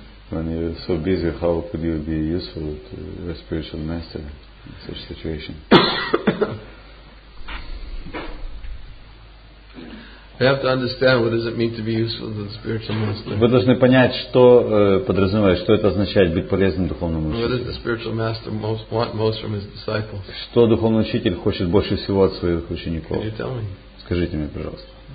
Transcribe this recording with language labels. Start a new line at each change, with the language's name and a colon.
English: When you're so busy, how could you be useful to a spiritual master in such a situation? We have to understand what does it mean to be useful to the spiritual master.
Russian: Вы должны понять, что подразумевает, что это означает быть полезным духовному учителю.
English: What does the spiritual master most want most from his disciples?
Russian: Что духовный учитель хочет больше всего от своих учеников?
English: Can you tell me?
Russian: Скажите мне, пожалуйста.